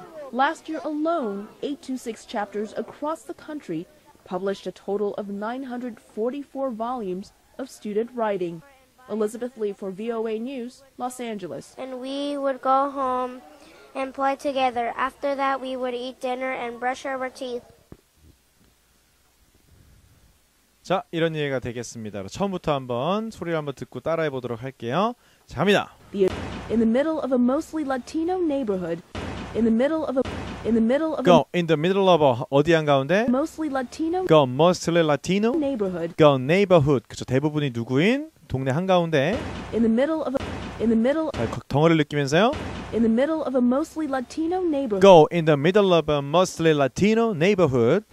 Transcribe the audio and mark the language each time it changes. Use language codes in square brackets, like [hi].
[en] Last year alone, 826 chapters across the country published a total of 944 volumes of student writing. Elizabeth Lee for VOA News, Los Angeles. And we would go home and play together. After that, we would eat dinner and brush our teeth. [ko] 자, 이런 이해가 되겠습니다. 처음부터 한번 소리를 한번 듣고 따라해 보도록 할게요. 자, 갑니다. [en] In the middle of a mostly Latino neighborhood, in the middle of a [ko] 어디 한 가운데? [en] Mostly Latino. Go mostly Latino neighborhood. Go neighborhood. [ko] 그죠? 대부분이 누구인 동네 한 가운데? [en] In the middle 덩어리 [ko] 느끼면서요. [en] In the middle of a mostly Latino neighborhood. Go in the middle of a mostly Latino neighborhood.